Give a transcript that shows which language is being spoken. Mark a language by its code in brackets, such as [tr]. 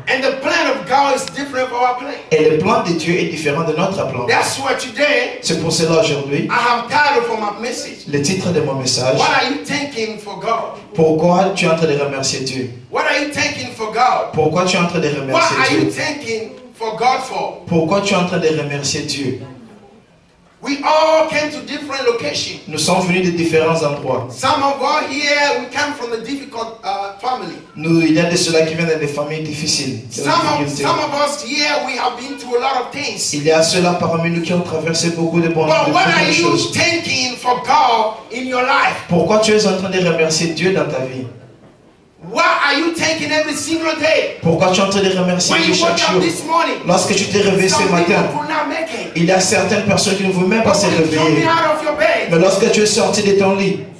[en] And the plan of God is different from our plan. [fr] Et le plan de Dieu est différent de notre plan. [en] That's why today. [fr] C'est pour cela aujourd'hui. [en] I have titled for my message. [fr] Le titre de mon message. [en] What are you thanking for God? [fr] Pourquoi tu es en train de remercier Dieu? [en] What are you thanking for God? [fr] Pourquoi tu es en train de remercier [en] what [fr] Dieu? [en] What are you thanking for God for? [fr] Pourquoi tu es en train de remercier Dieu? [en] We all came to different locations. [fr] Nous sommes venus de différents endroits. [en] Some of us here, we come from a difficult family. [fr] Nous, il y a de ceux-là qui viennent de familles difficiles. [en] Some of us here, we have been through a lot of things. [fr] Il y a ceux-là parmi nous qui ont traversé beaucoup de bonnes choses. [en] But what are you thanking for God in your life? [fr] Pourquoi tu es en train de remercier Dieu dans ta vie? [en] What are you thanking every single day? [fr] Pourquoi tu es en train de remercier Dieu chaque jour? [en] This morning, [fr] lorsque tu t'es réveillé ce matin, il y a certaines personnes qui ne veulent même pas se réveiller. Mais lorsque tu es sorti de ton lit,